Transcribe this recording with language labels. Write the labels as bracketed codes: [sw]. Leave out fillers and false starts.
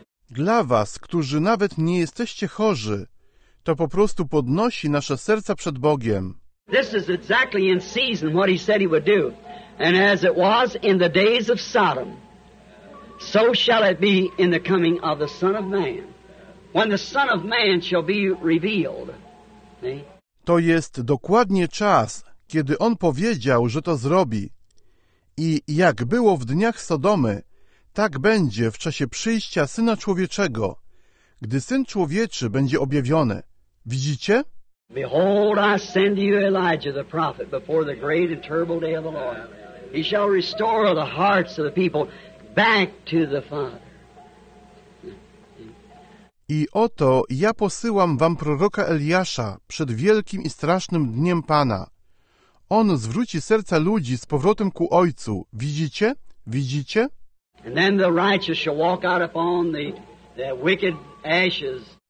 [pl] Dla was, którzy nawet nie jesteście chorzy, to po prostu podnosi nasze serca przed Bogiem. [en] This is exactly in season what he said he would do. And as it was in the days of Sodom, so shall it be in the coming of the Son of Man, when the Son of Man shall be revealed. [pl] To jest dokładnie czas, kiedy On powiedział, że to zrobi. I jak było w dniach Sodomy, tak będzie w czasie przyjścia Syna Człowieczego, gdy Syn Człowieczy będzie objawiony. Widzicie? [en] Behold, I send you Elijah the prophet before the great and terrible day of the Lord. He shall restore the hearts of the people back to the Father. [pl] I oto ja posyłam wam proroka Eliasza przed wielkim i strasznym dniem Pana. On zwróci serca ludzi z powrotem ku Ojcu. Widzicie? Widzicie? [en] And then the righteous shall walk out upon the wicked ashes.